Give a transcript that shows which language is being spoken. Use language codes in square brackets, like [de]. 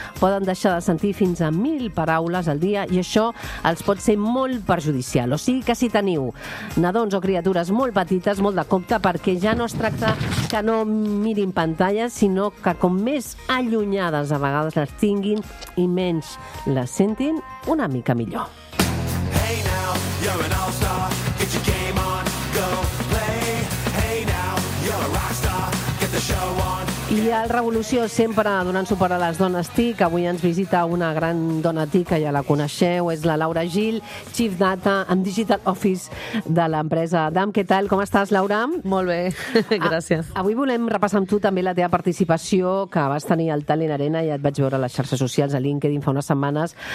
[ca] Poden deixar de sentir fins a 1.000 paraules al dia i això els pot ser molt perjudicial. O sigui que si teniu nadons o criatures molt petites, molt de compte, perquè ja no es tracta que no mirin pantalles, sinó que com més allunyades a vegades les tinguin i menys les sentin, una mica millor. [en] Hey now, you're an all-star. Get your game on, go play. Hey now, you're a rockstar. Get the show on. [ca] I al Revolució, sempre donant suport a les dones TIC, avui ens visita una gran dona TIC, que ja la coneixeu, és la Laura Gil, Chief Data and Digital Office de l'empresa DAM. Què tal? Com estàs, Laura? Molt bé, gràcies. Avui volem repassar amb tu també la teva participació que vas tenir al Talent Arena, ja et vaig veure a les xarxes socials, a LinkedIn, fa unes setmanes.